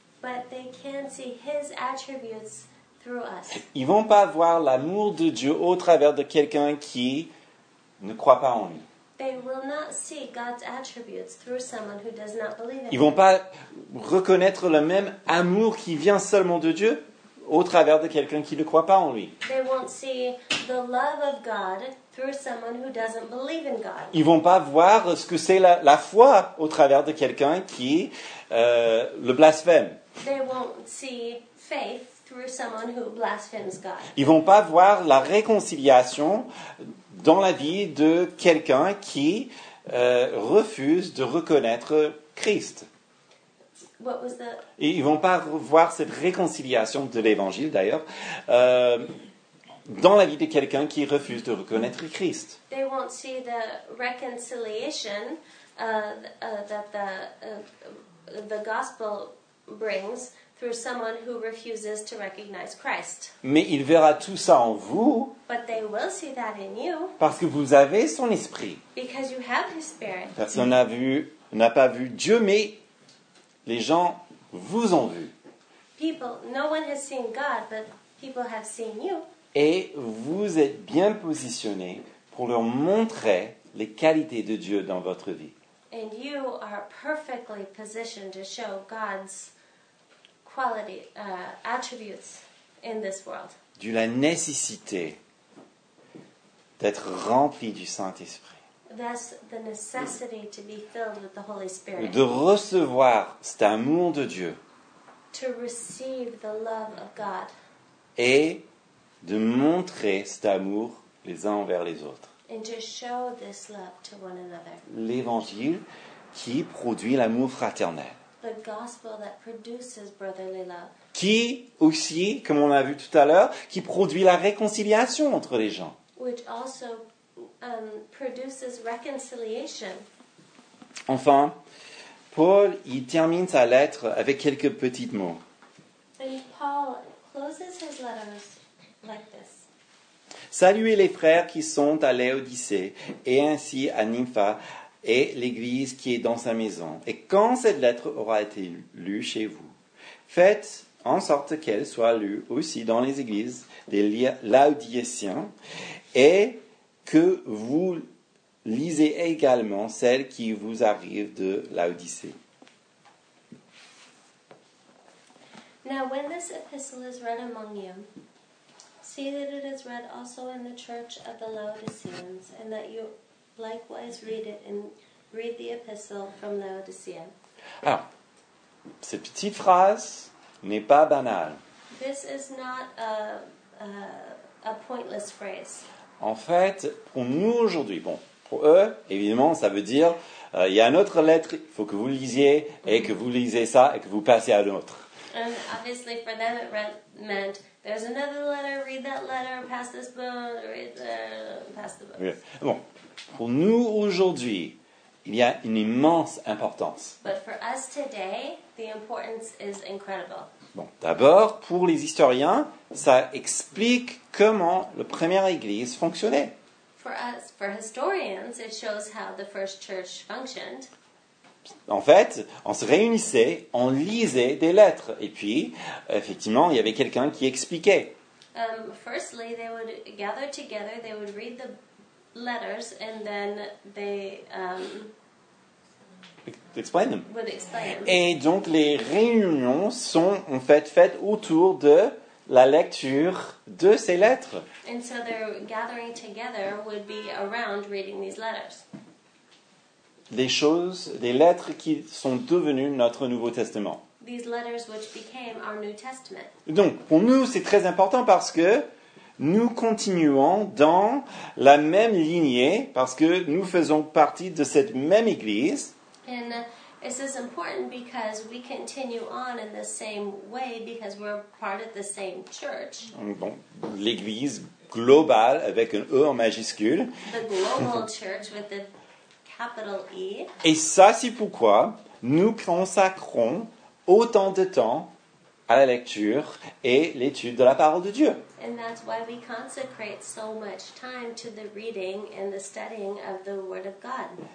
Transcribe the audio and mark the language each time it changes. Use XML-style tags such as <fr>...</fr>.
<en>But they can see his attributes through us.</en> <fr>Ils ne vont pas voir l'amour de Dieu au travers de quelqu'un qui ne croit pas en lui.</fr> <en>They will not see God's attributes through someone who does not believe in him.</en> <fr>Ils ne vont pas reconnaître le même amour qui vient seulement de Dieu au travers de quelqu'un qui ne croit pas en lui.</fr> <en>They won't see the love of God through someone who doesn't believe in God.</en> <fr>Ils vont pas voir ce que c'est la foi au travers de quelqu'un qui le blasphème.</fr> <en>They won't see faith through someone who blasphemes God.</en> <fr>Ils vont pas voir la réconciliation dans la vie de quelqu'un qui refuse de reconnaître Christ. Et ils ne vont pas voir cette réconciliation de l'évangile, d'ailleurs, dans la vie de quelqu'un qui refuse de reconnaître Christ.</fr> <en>They won't see the reconciliation that the gospel brings through someone who refuses to recognize Christ.</en> <fr>Mais il verra tout ça en vous.</fr> <en>But they will see that in you.</en> <fr>Parce que vous avez son esprit.</fr> <en>Because you have his spirit.</en> <fr>Personne n'a pas vu Dieu, mais les gens vous ont vu.</fr> <en>People, no one has seen God, but people have seen you.</en> <fr>Et vous êtes bien positionné pour leur montrer les qualités de Dieu dans votre vie.</fr> <en>And you are perfectly positioned to show God's quality, attributes in this world.</en> <fr>D'où la nécessité d'être rempli du Saint-Esprit.</fr> <en>That's the necessity to be filled with the Holy Spirit.</en> <fr>De recevoir cet amour de Dieu.</fr> <en>To receive the love of God.</en> <fr>Et de montrer cet amour les uns envers les autres.</fr> <en>And to show this love to one another.</en> <fr>L'évangile qui produit l'amour fraternel.</fr> <en>The gospel that produces brotherly love.</en> <fr>Qui aussi, comme on a vu tout à l'heure, qui produit la réconciliation entre les gens.</fr> <en>Which also produces reconciliation.</en> <fr>Enfin, Paul, il termine sa lettre avec quelques petits mots.</fr> <en>And Paul closes his letters like this.</en> <fr>Saluez les frères qui sont à Laodicée et ainsi à Nympha et l'église qui est dans sa maison. Et quand cette lettre aura été lue chez vous, faites en sorte qu'elle soit lue aussi dans les églises des Laodiciens et que vous lisez également celle qui vous arrive de Laodicée.</fr> <en>Now, when this epistle is read among you, see that it is read also in the church of the Laodiceans, and that you likewise read it and read the epistle from Laodicea.</en> <fr>Alors, cette petite phrase n'est pas banale.</fr> <en>This is not a pointless phrase.</en> <fr>En fait, pour nous aujourd'hui, bon, pour eux, évidemment, ça veut dire il y a une autre lettre, il faut que vous lisiez et que vous lisez ça et que vous passez à l'autre.</fr> <en>And obviously for them it meant there's another letter, read that letter, pass this book, read the pass the book.</en> <fr>Bon, pour nous aujourd'hui, il y a une immense importance.</fr> <en>But for us today, the importance is incredible.</en> <fr>Bon, d'abord, pour les historiens, ça explique comment la première église fonctionnait.</fr> <en>For us, for historians, it shows how the first church functioned.</en> <fr>En fait, on se réunissait, on lisait des lettres, et puis, effectivement, il y avait quelqu'un qui expliquait.</fr> <en>Firstly, they would gather together, they would read the letters, and then they explain them. Would explain.</en> <fr>Et donc, les réunions sont en fait faites autour de la lecture de ces lettres.</fr> <en>And so their gathering together would be around reading these letters.</en> <fr>Les choses, les lettres qui sont devenues notre Nouveau Testament.</fr> <en>These letters which became our New Testament.</en> <fr>Donc, pour nous, c'est très important parce que nous continuons dans la même lignée, parce que nous faisons partie de cette même Église.</fr> <en>And this is important because we continue on in the same way because we're part of the same church.</en> <fr>Bon, l'Église globale avec un E en majuscule.</fr> <en>The global church with the capital E.</en> <fr>Et ça, c'est pourquoi nous consacrons autant de temps à la lecture et l'étude de la parole de Dieu.</fr> <en>And that's why we consecrate so much time to the reading and the studying of the Word of God.</en>